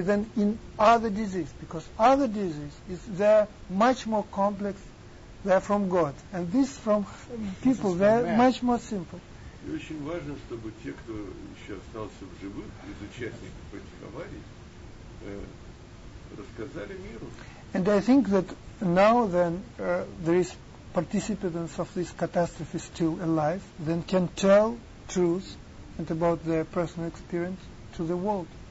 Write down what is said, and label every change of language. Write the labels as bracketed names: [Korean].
[English] than in other diseases, because other diseases is they're much more complex, they're from God, and this from people they're from much more simple. [Russian] И очень важно, чтобы те, кто еще остался в живых из участников этих аварий, рассказали миру. [English] And I think that now then there is participants of this catastrophe still alive, then can tell truth and about their personal experience to the world.